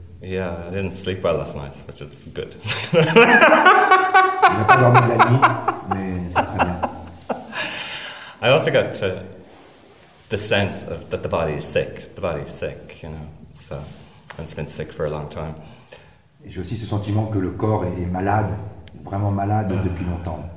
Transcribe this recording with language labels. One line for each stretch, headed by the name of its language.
English: Yeah, I didn't sleep well last night, which is good.
French: Il n'a pas dormi de la nuit, mais c'est très bien.
English: I also got to the sense of that the body is sick. The body is sick, you know. So, and it's been sick for a long time.
French: Et j'ai aussi ce sentiment que le corps est malade, vraiment malade depuis longtemps.